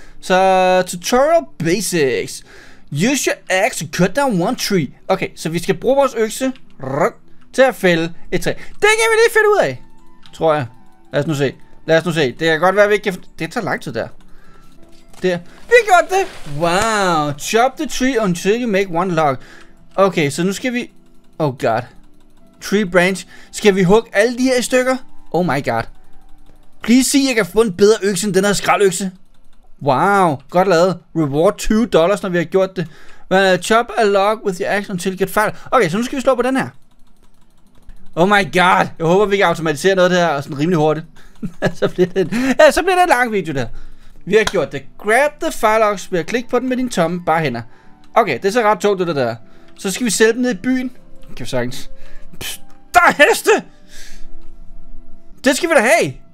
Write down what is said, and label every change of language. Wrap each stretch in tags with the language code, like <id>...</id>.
<en>Så tutorial basics. Use your axe to cut down one tree.</en> <da>Okay, så vi skal bruge vores økse til at fælde et træ. Det kan vi lige finde ud af, tror jeg. Lad os nu se. Det kan godt være, at vi ikke kan... Det tager lang tid der. Der. Vi gjorde det! Wow!</da> <en>Chop the tree until you make one log.</en> <da>Okay, så nu skal vi...</da> <en>Oh god. Tree branch.</en> <da>Skal vi hugge alle de her i stykker?</da> <en>Oh my god.</en> <da>Please sig, at jeg kan få en bedre økse end den her skraldøkse. Wow. Godt lavet. Reward $20, når vi har gjort det.</da> <en>Chop a log with your axe until you get fire.</en> <da>Okay, så nu skal vi slå på den her.</da> <en>Oh my god.</en> <da>Jeg håber, vi kan automatisere noget der, og sådan rimelig hurtigt. så bliver det en lang video der. Vi har gjort det.</da> <en>Grab the firelogs</en> <da>ved at klikke på den med dine tomme bare hænder. Okay, det er så ret tungt, det der. Så skal vi sælge dem ned i byen. Kan vi sagtens. Psst, der er heste! Det skal vi da have!</da>